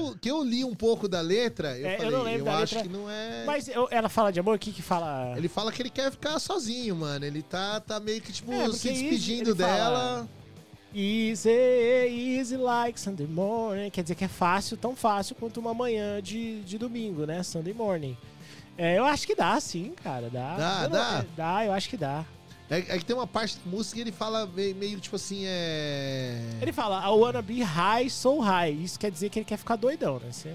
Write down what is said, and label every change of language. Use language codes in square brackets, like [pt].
[pt] Que eu li um pouco da letra, eu acho que não é... Mas eu, ela fala de amor, o que que fala? Ele fala que ele quer ficar sozinho, mano. Ele tá meio que, tipo, se despedindo dela. [en] Fala, easy like Sunday morning. [pt] Quer dizer que é fácil, tão fácil quanto uma manhã de domingo, né? [en] Sunday morning. [pt] Eu acho que dá, sim, cara. Dá. Dá, eu acho que dá. É que tem uma parte da música que ele fala meio tipo assim, [en] Ele fala, I wanna be high, so high. [pt] Isso quer dizer que ele quer ficar doidão, né?